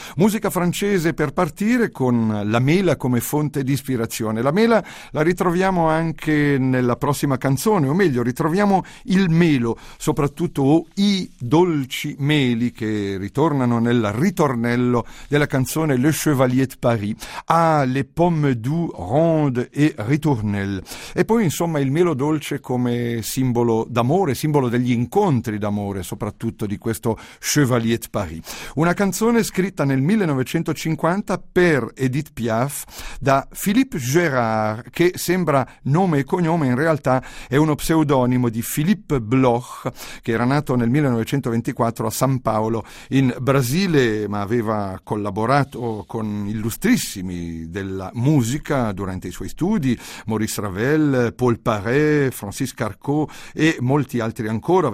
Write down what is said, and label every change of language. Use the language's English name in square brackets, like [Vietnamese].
[Italian] Musica francese per partire, con la mela come fonte di ispirazione. La mela la ritroviamo anche nella prossima canzone, o meglio, ritroviamo il melo, soprattutto i dolci meli che ritornano nel ritornello della canzone Le Chevalier de Paris. [French] Ah, les pommes doux, rondes et ritournelles. [Italian] E poi, insomma, il melo dolce come simbolo d'amore, simbolo degli incontri d'amore, soprattutto di questo Chevalier de Paris. Una canzone scritta nel 1950 per Edith Piaf da Philippe Gérard, che sembra nome e cognome, in realtà è uno pseudonimo di Philippe Bloch, che era nato nel 1924 a San Paolo, in Brasile, ma aveva collaborato con illustrissimi della musica durante i suoi studi: Maurice Ravel, Paul Paré, Francis Carcot e molti altri ancora.